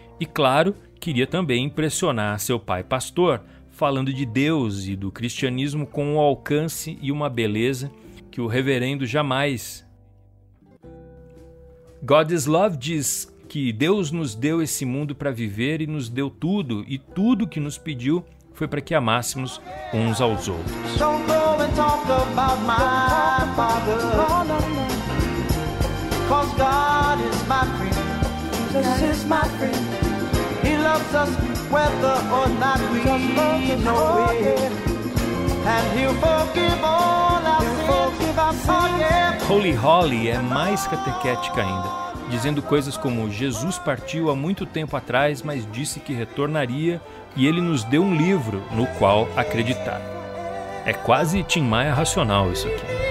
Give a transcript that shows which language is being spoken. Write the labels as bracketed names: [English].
[Portuguese] E, claro, queria também impressionar seu pai pastor, falando de Deus e do cristianismo com um alcance e uma beleza que o reverendo jamais. God is Love diz que Deus nos deu esse mundo para viver e nos deu tudo, e tudo que nos pediu foi para que amássemos uns aos outros. [English] Don't go and talk about my father, no, no, no. 'Cause God is my friend. Jesus is my friend. He loves us. Whether or not we know it, and he'll forgive all our sins. Forgive our sins. Oh, yeah. [Portuguese] Holy Holly é mais catequética ainda, dizendo coisas como: Jesus partiu há muito tempo atrás, mas disse que retornaria, e ele nos deu um livro no qual acreditar. É quase Tim Maia racional isso aqui.